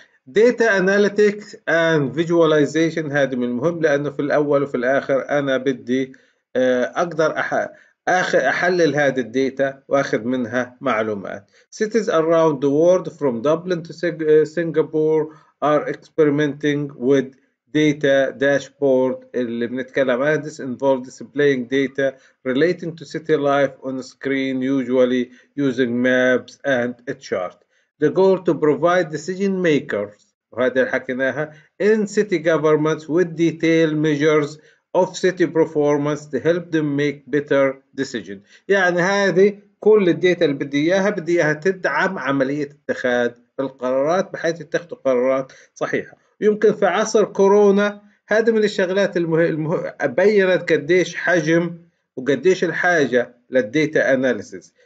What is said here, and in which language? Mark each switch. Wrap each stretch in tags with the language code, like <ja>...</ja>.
<en>Data analytics and visualization</en> <ar>هذه من المهم، لانه في الاول وفي الاخر انا بدي اقدر أحلل هذه الداتا وأخذ منها معلومات.</ar> <en>Cities around the world from Dublin to Singapore are experimenting with data dashboard</en> <ar>اللي بنتكلم عنها.</ar> <en>This involves displaying data relating to city life on a screen usually using maps and a chart. The goal to provide decision makers</en> <ar>وهذه اللي حكيناها</ar> <en>in city governments with detailed measures of city performance to help them make better decision.</en> <ar>يعني هذه كل الداتا اللي بدي اياها تدعم عملية اتخاذ القرارات بحيث يتخذوا قرارات صحيحة. يمكن في عصر كورونا هذه من الشغلات بينت قديش حجم وقديش الحاجة للداتا اناليسيس.</ar>